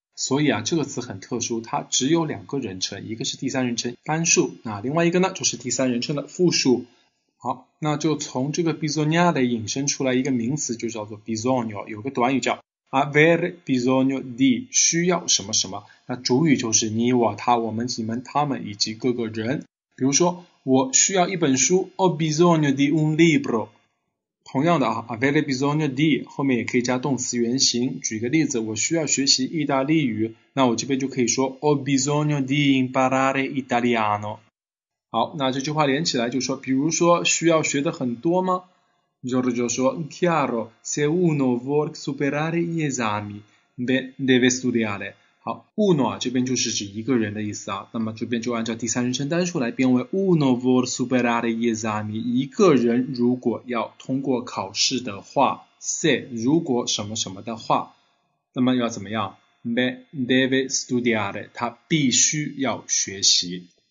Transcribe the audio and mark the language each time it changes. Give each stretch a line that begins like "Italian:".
Chinese: 所以啊，这个词很特殊，它只有两个人称，一个是第三人称单数，那另外一个呢就是第三人称的复数。好，那就从这个 bisognare 引申出来一个名词，就叫做 bisogno， 有个短语叫 avere bisogno di， 需要什么什么，那主语就是你我他我们你们他们以及各个人。比如说我需要一本书，
Italian: ho bisogno di un libro。
Chinese: 同样的啊， avere bisogno di 后面也可以加动词原形，举个例子，我需要学习意大利语，那我这边就可以说
Italian: ho bisogno di imparare italiano。
Chinese: 好，那这句话连起来就说，比如说需要学的很多吗？
Italian: Giorgio 说 chiaro se uno vuol superare gli esami deve studiare。
Chinese: 好， uno 这边就是指一个人的意思啊，那么这边就按照第三人称单数来变为
Italian: uno vuol superare gli esami，
Chinese: 一个人如果要通过考试的话， se 如果什么什么的话，那么要怎么样？
Italian: deve studiare，
Chinese: 他必须要学习。